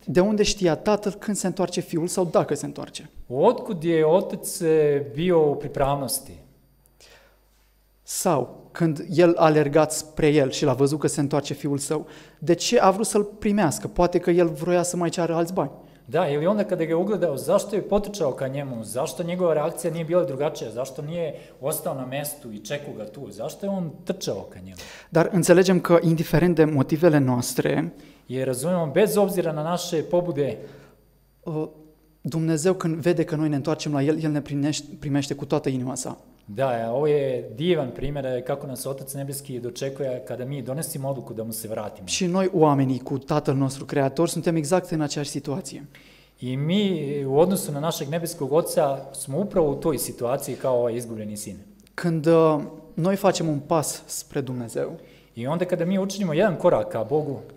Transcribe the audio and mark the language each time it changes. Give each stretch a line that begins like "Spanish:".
Romanian: De unde știa tatăl când se întoarce fiul sau dacă se întoarce?
Serbian: Otkud je otac bio u pripravnosti?
Romanian: Sau când el a alergat spre el și l-a văzut că se întoarce fiul său, de ce a vrut să-l primească? Poate că el vroia să mai ceară alți bani.
Serbian: Da, ili onda kada ga je ugledao, zašto je potrčao ka njemu, zašto njegova reakcija nije bila drugačija, zašto nije ostao na mestu i čekao ga tu, zašto je on trčao ka njemu?
Romanian: Dar înțelegem că, indiferent de motivele noastre,
Serbian: je razumemo, bez obzira na naše pobude,
Romanian: Dumnezeu când vede că noi ne întoarcem la El, El ne primește cu toată inima sa.
Serbian: Da, ovo je divan primjer kako nas Otac Nebeski dočekuje kada mi donesimo odluku da mu se vratimo.
Romanian: Și noi oamenii cu Tatăl nostru Creator suntem exact în aceeași situație.
Serbian: I mi u odnosu na našeg Nebeskog Oca smo upravo u toj situaciji kao ovaj izgubljeni sin.
Romanian: Când noi facem un pas spre Dumnezeu,
Serbian: i onda kada mi učinimo jedan korak ka Bogu,